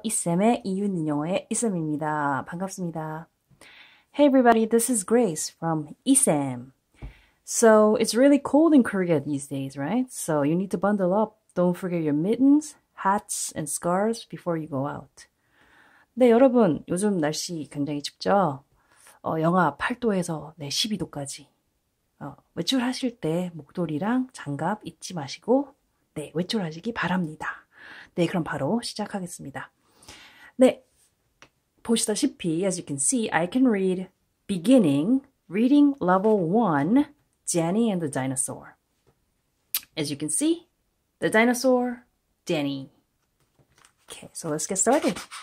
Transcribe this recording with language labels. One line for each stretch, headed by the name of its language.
Korean: 이쌤의 이유있는 영어의 이쌤입니다. 반갑습니다.
English: Hey everybody, this is Grace from 이쌤. So it's really cold in Korea these days, right? So you need to bundle up. Don't forget your mittens, hats, and scarves before you go out.
Korean: 네, 여러분, 요즘 날씨 굉장히 춥죠? 영하 8도에서 네, 12도까지. 외출하실 때 목도리랑 장갑 잊지 마시고, 네, 외출하시기 바랍니다. 네, 그럼 바로 시작하겠습니다. 네, 보시다시피,
English: as you can see, I can read beginning, reading level 1, Danny and the Dinosaur. As you can see, the dinosaur, Danny. Okay, so let's get started.